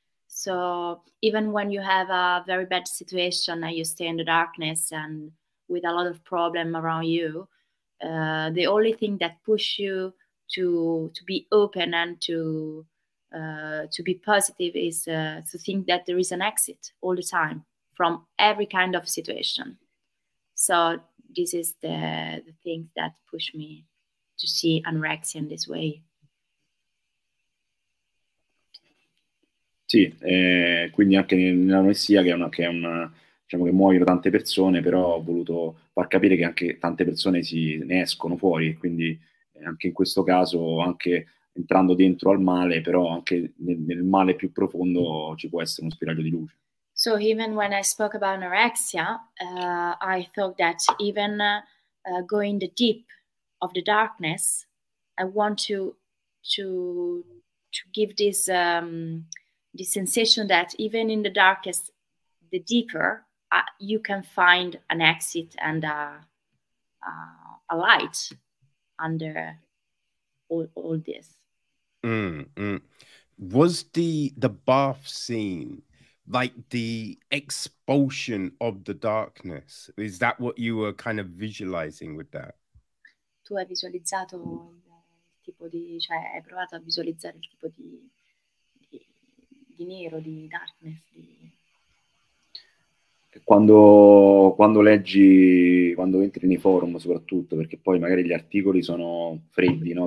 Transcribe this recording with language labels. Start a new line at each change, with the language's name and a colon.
English: So even when you have a very bad situation and you stay in the darkness and with a lot of problem around you, the only thing that push you to be open and to be positive is to think that there is an exit all the time from every kind of situation. So this is the thing that push me to see anorexia in this way.
Italian: Sì, quindi anche nell'anoressia, diciamo che muoiono tante persone, però ho voluto far capire che anche tante persone ne escono fuori, quindi anche in questo caso, anche entrando dentro al male, però anche nel male più profondo ci può essere uno spiraglio di luce.
English: So even when I spoke about anorexia, I thought that even going the deep of the darkness, I want to give this this sensation that even in the darkest, the deeper, you can find an exit and a light under all this. Was the bath scene like the expulsion of the darkness? Is that what you were kind of visualizing with that?
Italian: Tu hai visualizzato il tipo di, cioè hai provato a visualizzare il tipo di nero, di darkness, di. Quando entri nei forum, soprattutto, perché poi magari gli articoli sono freddi, no?